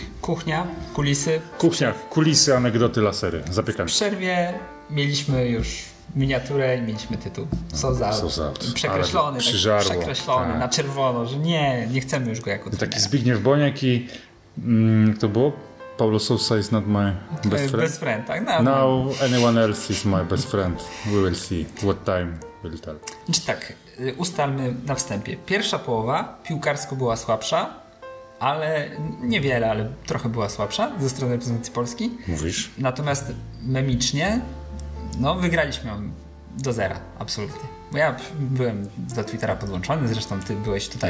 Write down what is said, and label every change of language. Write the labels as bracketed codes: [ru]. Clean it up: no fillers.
[pl] Kuchnia, kulisy. Kuchnia, kulisy, anegdoty, lasery. Zapiekamy. W przerwie mieliśmy już miniaturę i mieliśmy tytuł. Sousa Out. Sousa Out. Przekreślony. Tak, przyżarło. Przekreślony, tak. Na czerwono, że nie chcemy już go jako trenera. Taki Zbigniew Boniek i jak to było? [en] Paulo Sousa is not my best friend. Best friend, [pl] tak? [en] No. Now anyone else is my best friend. We will see what time will tell. [pl] Znaczy tak, ustalmy na wstępie. Pierwsza połowa piłkarsko była słabsza, ale niewiele, ale trochę była słabsza ze strony reprezentacji Polski. Mówisz. Natomiast memicznie, no wygraliśmy ją do zera, absolutnie. Bo ja byłem do Twittera podłączony, zresztą ty byłeś tutaj.